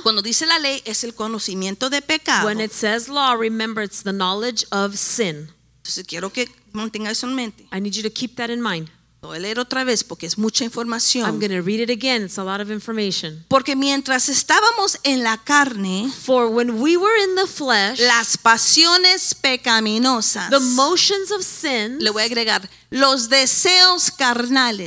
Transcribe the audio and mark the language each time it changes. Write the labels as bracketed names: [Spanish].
[Spanish] cuando dice la ley, es el conocimiento de pecado. [English] When it says law, remember it's the knowledge of sin. [Spanish] Entonces quiero que mantenga eso en mente. [English] I need you to keep that in mind. [Spanish] Lo voy a leer otra vez porque es mucha información. [English] I'm going to read it again. It's a lot of information. [Spanish] Porque mientras estábamos en la carne, [English] for when we were in the flesh, [Spanish] las pasiones pecaminosas, [English] the motions of sin, [Spanish] le voy a agregar los deseos carnales,